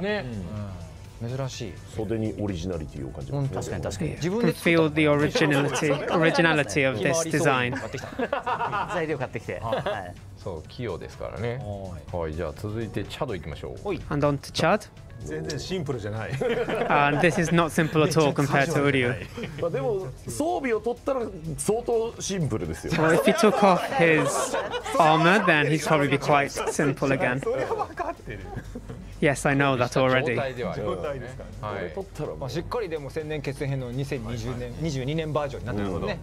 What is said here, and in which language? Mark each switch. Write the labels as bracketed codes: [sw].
[ja] ね、珍しい。袖にオリジナリティを感じます。確かに確かに。自分で [en] feel the originality of this design。 [ja] 材料買ってきて。そう、器用ですからね。はい、じゃあ続いてチャド行きましょう。 [en] And on to Chad。 [ja] 全然シンプルじゃない。 [en] And this is not simple at all compared to Uryu. [ja] まあでも装備を取ったら相当シンプルですよ。 [en] So if he took off his armor, then he'd probably be quite simple again. [ja] それは分かってる。 [en] Yes, I know that already. [ja] 状態ですかね。はい。取ったら、まあしっかりでも千年決戦編の2022年バージョンになってるもんね。